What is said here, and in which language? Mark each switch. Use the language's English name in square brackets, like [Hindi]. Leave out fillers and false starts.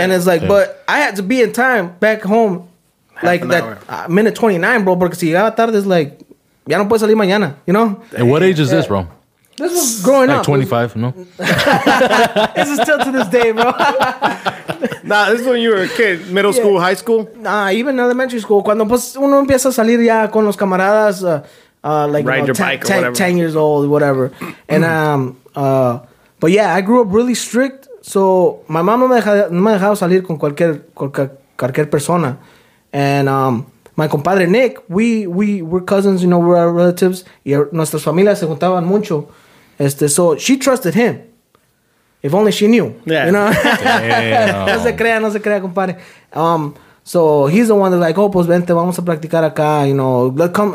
[English] And it's like, yeah. But I had to be in time back home, minute 29, bro, [Spanish] porque si llegaba tarde, es like, ya no puedes salir mañana, [English] you know? And what age is this, bro? This was growing up. 25, no? This is still to this day, bro. Nah, this is when you were a kid. Middle school, high school? Nah, even elementary school. [Spanish] Cuando pues, uno empieza a salir ya con los camaradas, [English] Ride your bike or whatever. 10 years old, whatever. And, but yeah, I grew up really strict. So, my mom [Spanish] no me dejaba salir con cualquier persona. [English] And, my compadre Nick, we're cousins, you know, we're our relatives. [Spanish] Y nuestras familias se juntaban mucho. [English] So she trusted him. If only she knew. Yeah. You know? Damn. [Spanish] No se crea, compadre. [English] So he's the one that's like, oh, [Spanish] pues vente, vamos a practicar acá, [English] you know. Let come.